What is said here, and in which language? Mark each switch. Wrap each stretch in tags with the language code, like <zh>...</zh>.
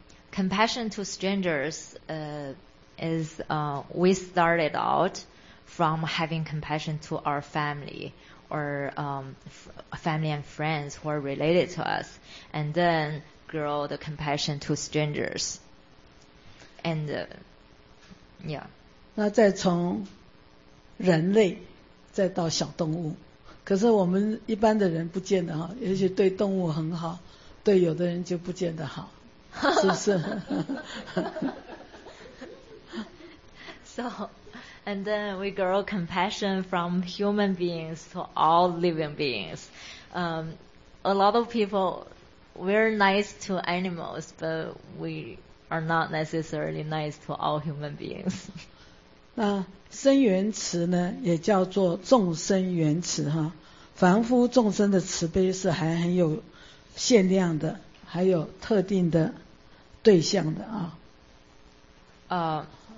<en>Compassion to strangers is we started out from having compassion to our family or family and friends who are related to us, and then grow the compassion to strangers. And yeah.</en> <zh>那再从人类再到小动物，可是我们一般的人不见得哈，也许对动物很好，对有的人就不见得好，是不是？</zh> <en>So, and then we grow compassion from human beings to all living beings. A lot of people, we're nice to animals, but we are not necessarily nice to all human beings.</en> <zh>那生缘慈呢，也叫做众生缘慈哈。凡夫众生的慈悲是还很有限量的，还有特定的对象的啊。</zh>